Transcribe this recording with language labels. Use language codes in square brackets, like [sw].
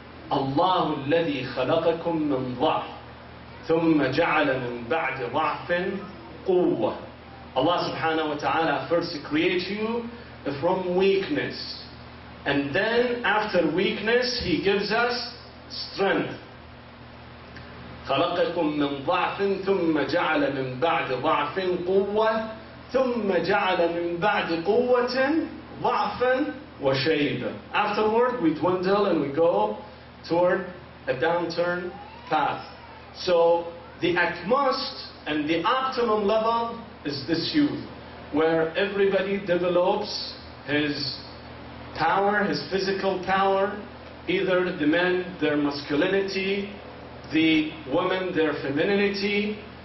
[ar] Allah الذي خلقكم من ضعف ثم جعل من بعد ضعف قوة. [en] Allah subhanahu wa ta'ala first creates you from weakness, and then after weakness he gives us strength. [ar] خلقكم من ضعف ثم جعل من بعد ضعف قوة ثم جعل من بعد قوة ضعفا وشيبا. [en] Afterward we dwindle and we go toward a downturn path. So the utmost and the optimum level is this youth, where everybody develops his power, his physical power, either the men their masculinity, the women their femininity,